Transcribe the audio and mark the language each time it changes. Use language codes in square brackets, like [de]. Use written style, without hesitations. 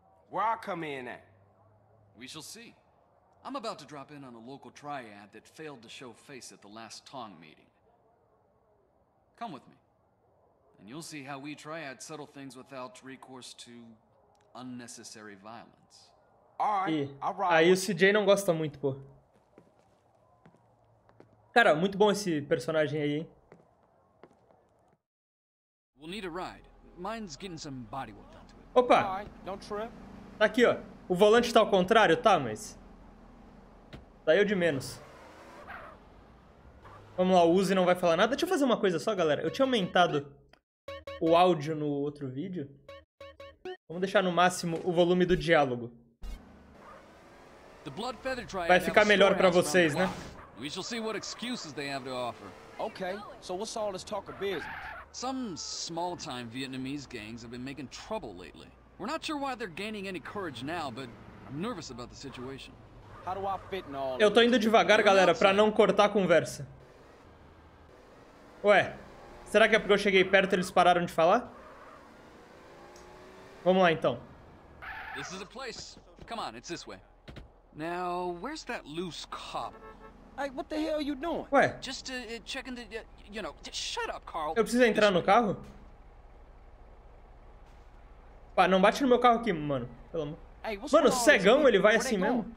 [en] Where I come in at? We shall see. I'm about to drop in on a local Triad that failed to show face at the last Tong meeting. Come with me, and you'll see how we triad settle things without recourse to unnecessary violence. [pt] Aí o CJ não gosta muito, pô. Cara, muito bom esse personagem aí, hein? [en] We'll need a ride. Mine's getting some bodywork done to it. [pt] Opa! Tá aqui, ó. O volante tá ao contrário, tá, mas. Daí eu de menos. Vamos lá, o Uzi não vai falar nada. Deixa eu fazer uma coisa só, galera. Eu tinha aumentado o áudio no outro vídeo. Vamos deixar no máximo o volume do diálogo. Vai ficar melhor pra vocês, né? [en] We shall see what excuses they have to offer. Okay. So what's all this talk of business? Some small-time Vietnamese gangs have been making trouble lately. We're not sure why they're gaining any courage now, but I'm nervous about the situation. How do I fit in all? [pt] Eu tô indo devagar, galera, pra não cortar a conversa. Ué, será que é porque eu cheguei perto e eles pararam de falar? Vamos lá então. [en] This is a place. Come on, it's this way. Now, where's that loose cop? Hey, what the hell are you doing? [pt] Ué. [en] Just checking the, you know, shut up, Carl. [pt] Eu preciso entrar no carro? Pá, não bate no meu carro aqui, mano. Pelo amor. [en] Hey, what's [pt] mano, cegão, ele vai assim mesmo?